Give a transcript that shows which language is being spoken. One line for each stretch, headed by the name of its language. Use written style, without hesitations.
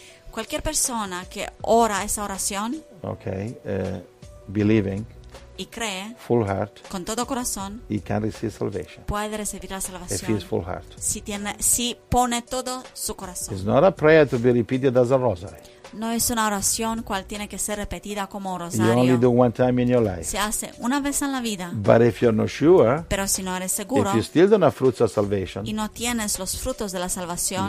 Spanish: Cualquier persona que ora esa oración.
English: Okay, believing.
Spanish: Y cree.
English: Full heart.
Spanish: Con todo corazón.
English: He can receive salvation.
Spanish: Puede recibir la salvación.
English: If he is full heart.
Spanish: Si pone todo su corazón.
English: It's not a prayer to be repeated as a rosary.
Spanish: No es una oración cual tiene que ser repetida como rosario.
English: You only do one time in your life.
Spanish: Se hace una vez en la vida.
English: But if you're not sure,
Spanish: pero si no eres seguro,
English: if you still don't have fruits of salvation,
Spanish: y no tienes los frutos de la salvación,